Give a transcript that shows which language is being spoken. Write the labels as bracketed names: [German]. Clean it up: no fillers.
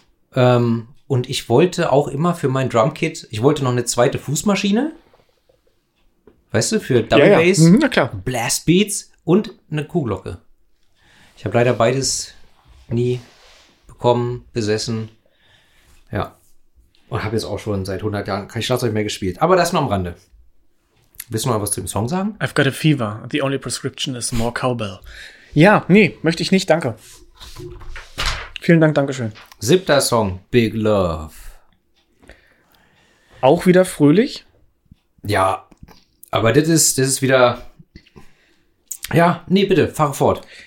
[German] Und ich wollte auch immer für mein Drumkit, ich wollte noch eine zweite Fußmaschine, weißt du, für Double Bass, ja, ja. Blast Beats und eine Kuhglocke. Ich habe leider beides nie bekommen, besessen, ja, und habe jetzt auch schon seit 100 Jahren kein Schlagzeug mehr gespielt. Aber das nur am Rande. Willst du mal was zu dem Song sagen? [English] I've got a fever, the only prescription is more cowbell. [German] Ja, nee, möchte ich nicht, danke. Vielen Dank, Dankeschön. 7. Song, Big Love. Auch wieder fröhlich? Ja, aber das ist wieder... Ja, nee, bitte, fahre fort.